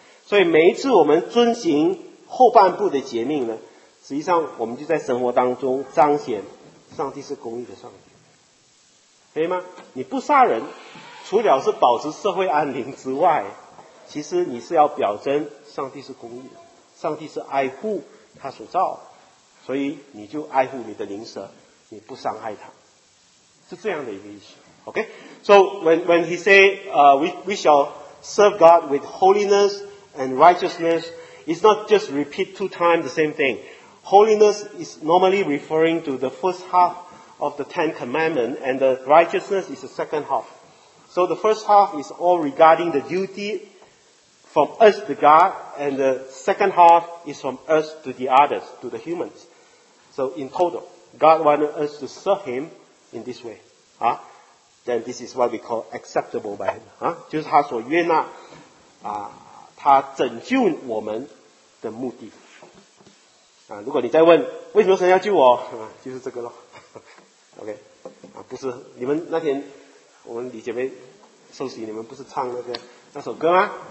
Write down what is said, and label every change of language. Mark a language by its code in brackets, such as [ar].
[zh] 所以每一次我们遵行后半部的诫命呢，实际上我们就在生活当中彰显上帝是公义的上帝，可以吗？你不杀人，除了是保持社会安宁之外，其实你是要表征上帝是公义的，上帝是爱护他所造，所以你就爱护你的邻舍，你不伤害他，是这样的一个意思。 [en] OK, so when he say we shall serve God with holinessand righteousness is not just repeat two times the same thing. Holiness is normally referring to the first half of the Ten Commandments, and the righteousness is the second half. So the first half is all regarding the duty from us to God, and the second half is from us to the others, to the humans. So in total, God wanted us to serve Him in this way. Huh? Then this is what we call acceptable by Him. Huh? [zh] 就是他所悦纳他拯救我们的目的啊！如果你再问为什么神要救我啊，就是这个咯。OK 啊，不是你们那天我们李姐妹受洗，你们不是唱那首歌吗？